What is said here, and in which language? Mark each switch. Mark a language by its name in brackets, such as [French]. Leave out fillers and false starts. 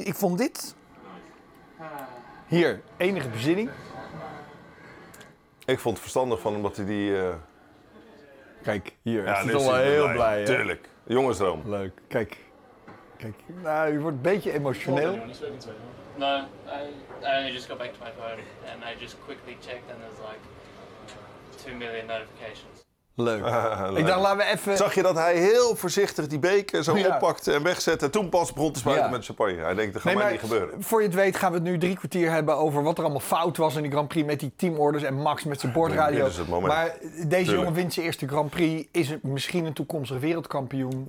[Dutch] Ik vond dit. Hier, enige bezinning. Ik vond het verstandig van hem dat hij die... Kijk, hier. Ja, is toch wel heel blij. Hè? Tuurlijk. Jongensroom. Leuk. Kijk. Kijk. Nou, je wordt een beetje emotioneel. Nee, ik [English] just got back to my phone. [Dutch] En ik [English] just quickly checked and there's like 2 million notifications. [Dutch] Leuk. Leuk. Ik dacht, laten we even... Zag je dat hij heel voorzichtig die beker zo oppakte en wegzette? Toen pas begon te spuiten met champagne. Hij denkt, dat gaat mij niet gebeuren. Voor je het weet gaan we het nu 3 kwartier hebben over wat er allemaal fout was in die Grand Prix met die teamorders en Max met zijn bordradio. Dit is het moment. Maar deze jongen wint zijn eerste Grand Prix. Is het misschien een toekomstige wereldkampioen?